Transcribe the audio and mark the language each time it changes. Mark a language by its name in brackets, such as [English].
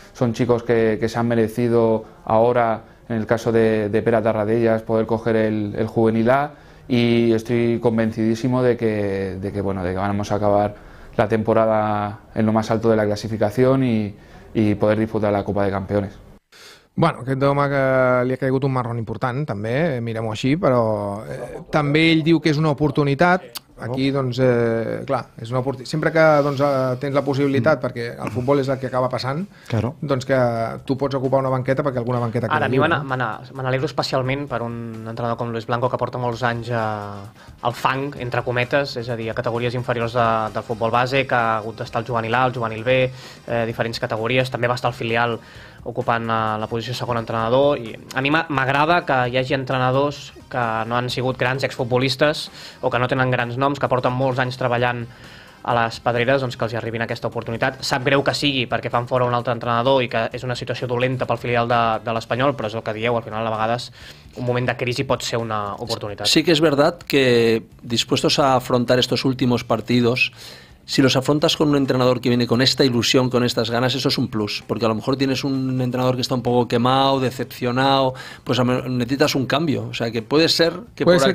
[Spanish] Son chicos que se han merecido ahora, en el caso de Pere Tarradellas, poder coger el juvenil A. Y estoy convencidísimo de que vamos a acabar la temporada en lo más alto de la clasificación y poder disputar la Copa de Campeones. [Catalan] Bueno, aquest home que li ha caigut un marrón important, també, mirem-ho així, però també ell diu que és una oportunitat. Aquí, doncs, clar, és una oportunitat. Sempre que doncs, tens la possibilitat, perquè el futbol és el que acaba passant, [Spanish] claro, [Catalan] doncs que tu pots ocupar una banqueta perquè alguna banqueta... Ara, a mi m'alegro especialment per un entrenador com Luis Blanco, que porta molts anys al fang, entre cometes, és a dir, a categories inferiors del futbol base, que ha hagut d'estar el juvenil A, el juvenil B, diferents categories. També va estar el filial ocupant la posició segon entrenador. I a mi m'agrada que hi hagi entrenadors que no han sigut grans exfutbolistes o que no tenen grans noms, que porten molts anys treballant a les pedreres, doncs que els hi arribin aquesta oportunitat. Sap greu que sigui perquè fan fora un altre entrenador i que és una situació dolenta pel filial de l'Espanyol, però és el que dieu, al final a vegades un moment de crisi pot ser una oportunitat. [Spanish] Sí que és verdad que dispuestos a afrontar estos últimos partidos, si los afrontas con un entrenador que viene con esta ilusión, con estas ganas, eso es un plus, porque a lo mejor tienes un entrenador que está un poco quemado, decepcionado, pues necesitas un cambio. O sea, que puede ser que puede